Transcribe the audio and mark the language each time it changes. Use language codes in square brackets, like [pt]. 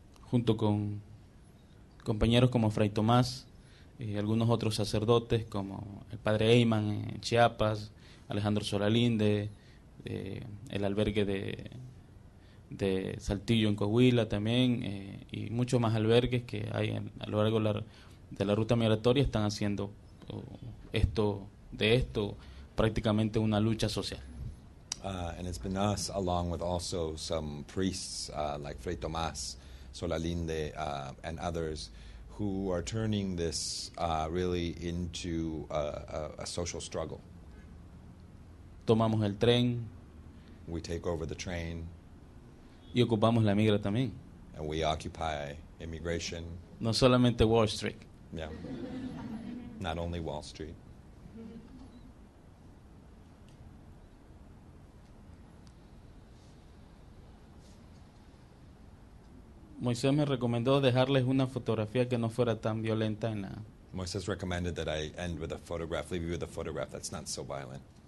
[es] Junto con compañeros como Fray Tomás y algunos otros sacerdotes como el Padre Eyman en Chiapas, Alejandro Solalinde, el albergue de Saltillo en Coahuila también y muchos más albergues que hay a lo largo de la ruta migratoria están haciendo esto prácticamente una lucha social. [en] And it's been us along with also some priests like Fray Tomás, Solalinde and others who are turning this really into a social struggle. [es] Tomamos el tren. [en] We take over the train. [es] Y ocupamos la migra también. [en] And we occupy immigration. [es] No solamente Wall Street. [en] Yeah. Not only Wall Street. [es] Moisés me recomendó dejarles una fotografía que no fuera tan violenta en la... [en] Moisés recommended that I end with a photograph, leave you with a photograph that's not so violent.